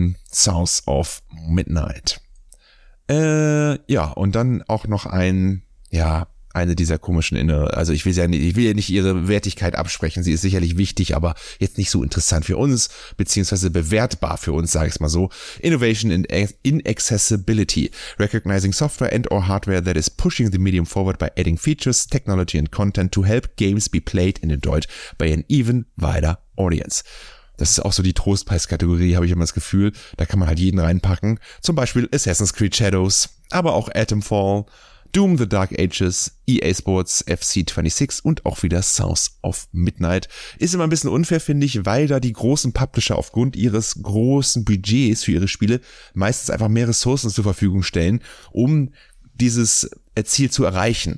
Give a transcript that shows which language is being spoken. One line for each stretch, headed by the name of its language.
German: South of Midnight. Ja, und dann auch noch ein, ja, eine dieser komischen innere, also ich will sie ja nicht, ich will ja nicht ihre Wertigkeit absprechen, sie ist sicherlich wichtig, aber jetzt nicht so interessant für uns, beziehungsweise bewertbar für uns, sage ich es mal so.
English: Innovation and Inaccessibility. Recognizing software and or hardware that is pushing the medium forward by adding features, technology and content to help games be played and enjoyed by an even wider audience.
German: Das ist auch so die Trostpreiskategorie, habe ich immer das Gefühl. Da kann man halt jeden reinpacken. Zum Beispiel Assassin's Creed Shadows, aber auch Atomfall, Doom the Dark Ages, EA Sports, FC26 und auch wieder South of Midnight. Ist immer ein bisschen unfair, finde ich, weil da die großen Publisher aufgrund ihres großen Budgets für ihre Spiele meistens einfach mehr Ressourcen zur Verfügung stellen, um dieses Ziel zu erreichen.